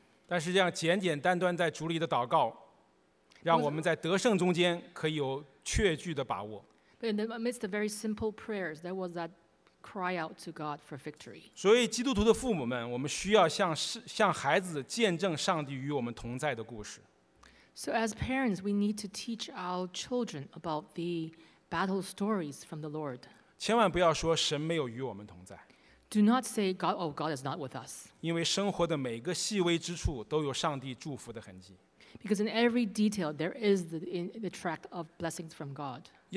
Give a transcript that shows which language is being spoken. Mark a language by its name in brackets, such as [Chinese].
[Chinese] 但是这样简简单单在主里的祷告, 让我们在得胜中间可以有确据的把握。 [English] But in the midst of very simple prayers, there was that cry out to God for victory. [Chinese] 所以基督徒的父母们, 我们需要向孩子见证上帝与我们同在的故事。 [English] So as parents, we need to teach our children about the battle stories from the Lord. [Chinese] 千万不要说神没有与我们同在。 [English] Do not say, God, oh, God is not with us. Because in every detail, there is the track of blessings from God.